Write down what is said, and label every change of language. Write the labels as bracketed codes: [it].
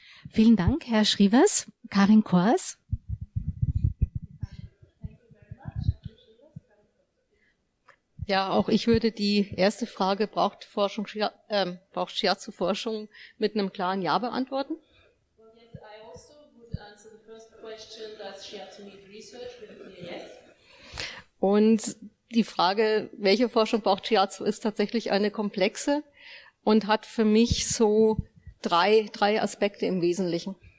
[de] Vielen Dank, Herr Schrivers, Karin Kors. Ja, auch ich würde die erste Frage, braucht Forschung, braucht Shiatsu-Forschung, mit einem klaren Ja beantworten. [en] Well, yes, I also would answer the first question, does Shiatsu need research, with a yes. [de] Und die Frage, welche Forschung braucht Shiatsu, ist tatsächlich eine komplexe und hat für mich so drei Aspekte im Wesentlichen.